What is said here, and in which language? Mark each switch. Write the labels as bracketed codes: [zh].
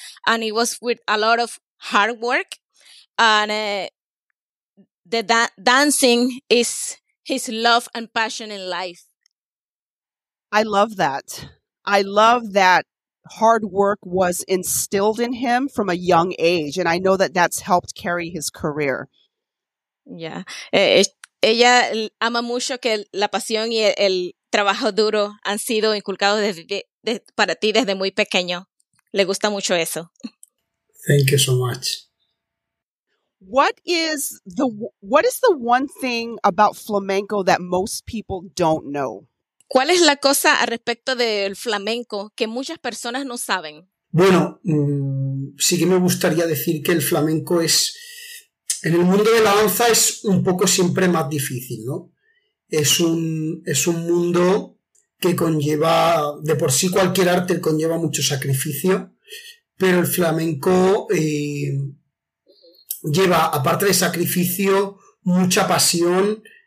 [en] And it was with a lot of hard work. And dancing is his love and passion in life. I love that. I love that hard work was instilled in him from a young age. And I know that that's helped carry his career. Yeah. [es] Ella ama mucho que la pasión y el trabajo duro han sido inculcados para ti desde muy pequeño. Le gusta mucho eso. [en] Thank you so much. What is the one thing about flamenco that most people don't know? [es] ¿Cuál es la cosa al respecto del flamenco que muchas personas no saben? Bueno, sí que me gustaría decir que el flamenco es, en el mundo de la danza es un poco siempre más difícil, ¿no? Es un mundo que conlleva, de por sí cualquier arte conlleva mucho sacrificio, pero el flamenco lleva, aparte de sacrificio, mucha pasión.